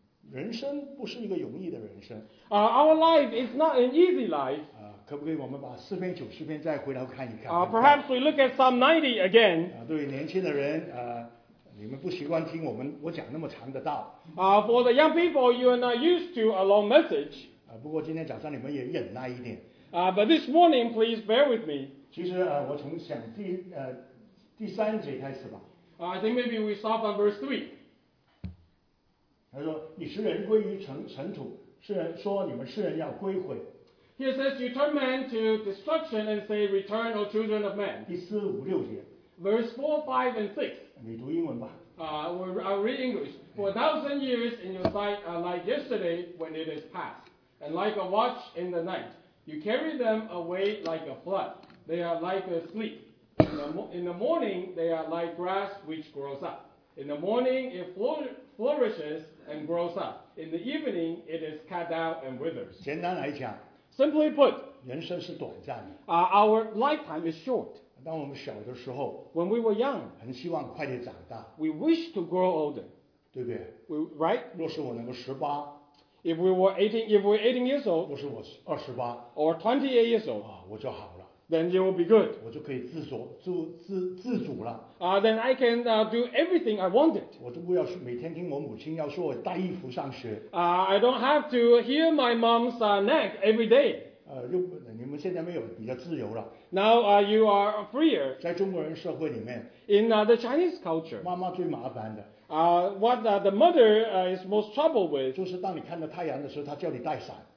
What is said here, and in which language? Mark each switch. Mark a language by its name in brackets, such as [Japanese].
[Chinese] 人生不是一个容易的人生。 [English] Our life is not an easy life. [Chinese] 可不可以我们把四篇九十篇再回头看一看？ [English] Perhaps we look at Psalm 90 again. [Chinese] 对于年轻的人，你们不习惯听我讲那么长的道。 [English] For the young people, you are not used to a long message. [Chinese] 不过今天早上你们也忍耐一点。 [English] But this morning, please bear with me. [Chinese] 其实我从想第三节开始吧。 [English] I think maybe we start from verse 3. [Chinese] 他说：“你使人归于尘土。” 世人说你们世人要归回。 [English] He says you turn man to destruction and say return, O children of man. [Chinese] 第四五六节。 [English] Verse 4, 5, and 6. [Chinese] 你读英文吧。 [English] I'll read English. For 1,000 years in your sight are like yesterday when it is past, and like a watch in the night. You carry them away like a flood. They are like a sleep. In the morning they are like grass which grows up. In the morning it flourishes and grows up. In the evening, it is cut down and withers. [Chinese] 简单来讲， [English] Simply put, [Chinese] 人生是短暂的。 [English] Our lifetime is short. [Chinese] 当我们小的时候， [English] When we were young, [Chinese] 很希望快点长大。 [English] We wish to grow older. [Chinese] 对不对？ [English] Right? [Chinese] 若是我能够十八， [English] If we were 18, if we're 18 years old, [Chinese] 若是我二十八， [English] or 28 years old, [Chinese] 我就好了。 [English] Then it will be good. [Chinese] 我就可以自主了。 [English] Then I can do everything I wanted. [Chinese] 我都不要每天听我母亲要说我带衣服上学。 [English] I don't have to hear my mom's neck every day. [Chinese] 你们现在没有比较自由了。 [English] Now you are freer. [Chinese] 在中国人社会里面。 [English] In the Chinese culture. [Chinese] 妈妈最麻烦的。 [English] What the mother is most troubled with. [Chinese] 就是当你看到太阳的时候，她叫你带伞。